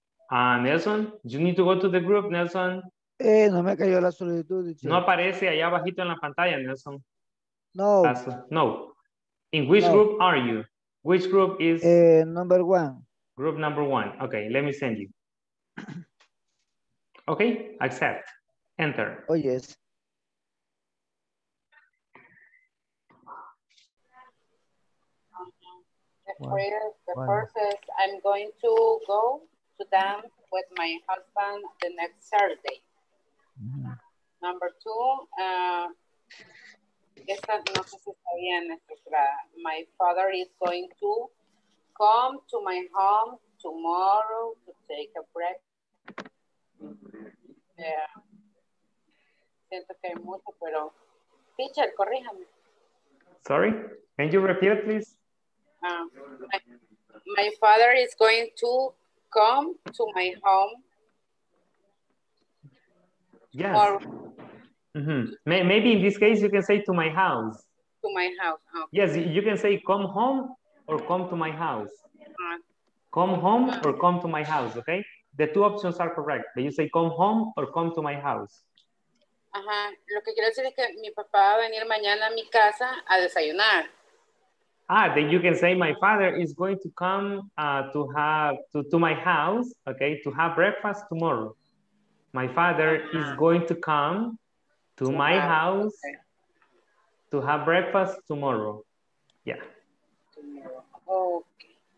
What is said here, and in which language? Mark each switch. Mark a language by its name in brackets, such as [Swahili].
[English] Nelson, you need to go to the group, Nelson. [Spanish] No me cayó la solicitud. No aparece allá abajito en la pantalla, Nelson. No. [English] No. In which group are you? Which group is? Number one. Group number one. Okay, let me send you. Okay, accept. Enter. Oh, yes. I'm going to go to dance with my husband the next Saturday. Mm-hmm. Number two, [Spanish] esta no sé si está bien, etcétera. [English] My father is going to come to my home tomorrow to take a break. [Spanish] Siento que hay mucho, pero teacher, corríjame. [English] Sorry, can you repeat, please? My father is going to come to my home. Yes. Or, mm-hmm. Maybe in this case you can say to my house. To my house. Okay. Yes, you can say come home or come to my house. Come home or come to my house, okay? The two options are correct. But you say come home or come to my house. Ajá. [Spanish] Lo que quiero decir es que mi papá va a venir mañana a mi casa a desayunar. [English] Then you can say my father is going to come to my house, okay, to have breakfast tomorrow. Ah, My father is going to come to my house to have breakfast tomorrow. Yeah. Tomorrow. Okay.